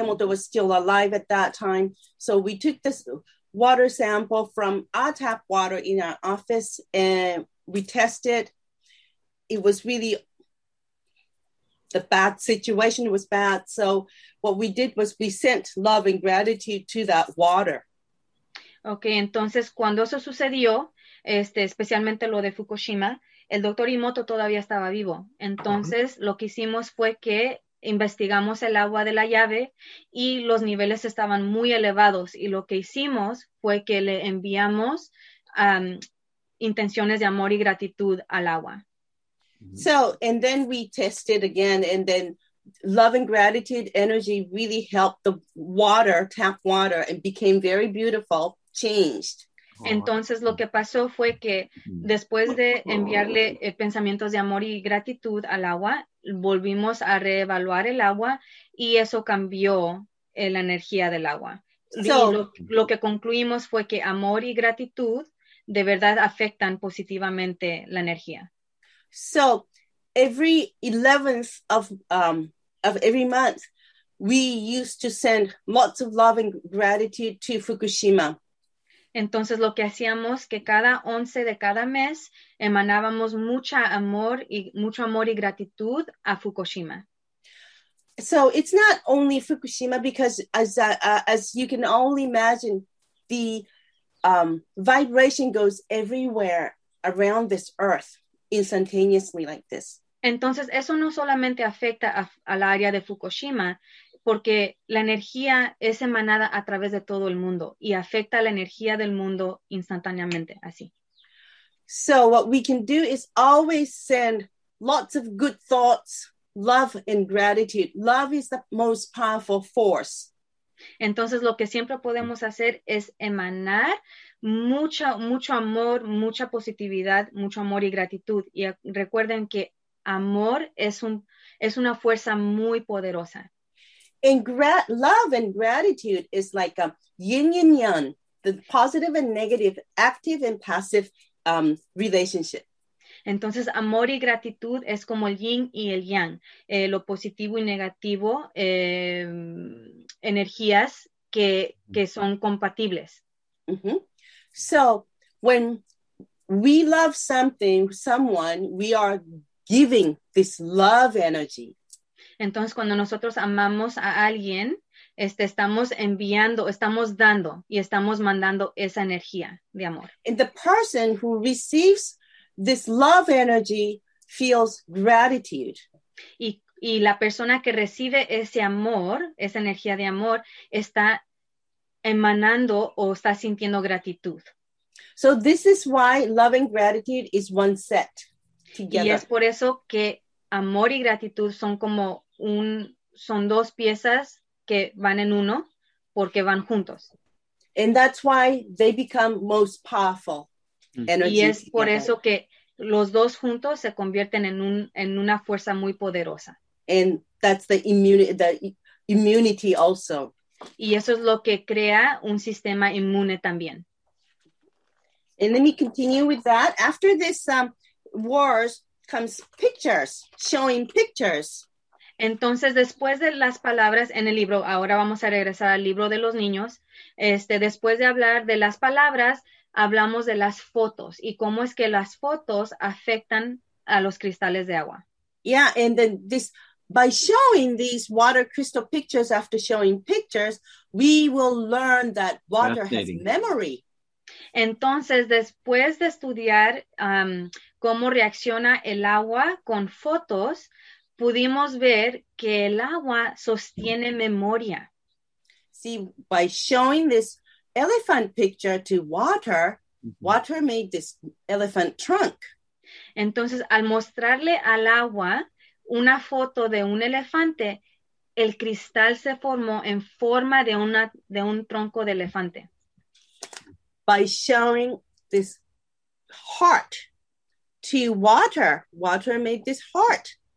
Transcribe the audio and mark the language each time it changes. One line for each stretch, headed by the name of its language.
English: Emoto was still alive at that time, so we took this water sample from our tap water in our office and we tested. It was really the bad situation. It was bad. So what we did was we sent love and gratitude to that water.
Spanish: Okay, entonces cuando eso sucedió, especialmente lo de Fukushima, el doctor Emoto todavía estaba vivo. Entonces lo que hicimos fue que investigamos el agua de la llave y los niveles estaban muy elevados. Y lo que hicimos fue que le enviamos intenciones de amor y gratitud al agua.
English: So, and then we tested again, and then love and gratitude energy really helped the water, tap water, and became very beautiful, changed.
Spanish: Entonces lo que pasó fue que después de enviarle pensamientos de amor y gratitud al agua, volvimos a reevaluar el agua y eso cambió la energía del agua. So, lo que concluimos fue que amor y gratitud de verdad afectan positivamente la energía.
English: So every 11th of every month, we used to send lots of love and gratitude to Fukushima.
Spanish: Entonces, lo que hacíamos que cada 11 de cada mes emanábamos mucho amor y gratitud a Fukushima.
English: So it's not only Fukushima because, as you can only imagine, the vibration goes everywhere around this earth instantaneously like this.
Spanish: Entonces, eso no solamente afecta al área de Fukushima, porque la energía es emanada a través de todo el mundo y afecta la energía del mundo instantáneamente, así.
English: So what we can do is always send lots of good thoughts, love and gratitude. Love is the most powerful force.
Spanish: Entonces lo que siempre podemos hacer es emanar mucho amor, mucha positividad, mucho amor y gratitud. Y recuerden que amor es una fuerza muy poderosa.
English: And love and gratitude is like a yin and yang, the positive and negative, active and passive relationship.
Spanish: Entonces, amor y gratitud es como el yin y el yang, lo positivo y negativo, energías que son compatibles. Mm-hmm.
English: So, when we love something, someone, we are giving this love energy.
Spanish: Entonces, cuando nosotros amamos a alguien, estamos enviando, estamos dando y estamos mandando esa energía de amor.
English: And the person who receives this love energy feels gratitude.
Spanish: Y la persona que recibe ese amor, esa energía de amor, está emanando o está sintiendo gratitud.
English: So this is why love and gratitude is one set together.
Spanish: Y es por eso que amor y gratitud son como son dos piezas que van en uno porque van juntos.
English: And that's why they become most powerful energy.
Spanish: Y es por eso que los dos juntos se convierten en una fuerza muy poderosa.
English: And that's the immunity also.
Spanish: Y eso es lo que crea un sistema inmune también.
English: And let me continue with that. After this wars comes pictures, showing pictures.
Spanish: Entonces, después de las palabras en el libro, ahora vamos a regresar al libro de los niños. Después de hablar de las palabras, hablamos de las fotos y cómo es que las fotos afectan a los cristales de agua.
English: Yeah, and then this by showing these water crystal pictures after showing pictures, we will learn that water has memory.
Spanish: Entonces, después de estudiar cómo reacciona el agua con fotos, pudimos ver que el agua sostiene memoria.
English: See, by showing this elephant picture to water, mm-hmm. water made this elephant trunk.
Spanish: Entonces, al mostrarle al agua una foto de un elefante, el cristal se formó en forma de un tronco de elefante.
English: By showing this heart to water, water made this heart.